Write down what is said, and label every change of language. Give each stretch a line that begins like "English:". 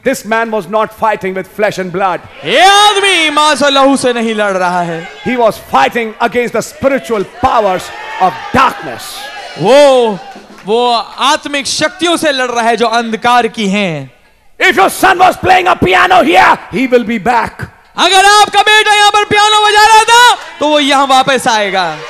English: This man was not fighting with flesh and blood.
Hindi: ये आदमी मांस और लहू से नहीं लड़ रहा है.
English: He was fighting against the spiritual powers of darkness.
Hindi: वो आत्मिक शक्तियों से लड़ रहा है जो अंधकार की हैं.
English: If your son was playing a piano here, he will be back.
Hindi: अगर आपका बेटा यहाँ पर पियानो बजा रहा था तो वो यहाँ वापस आएगा.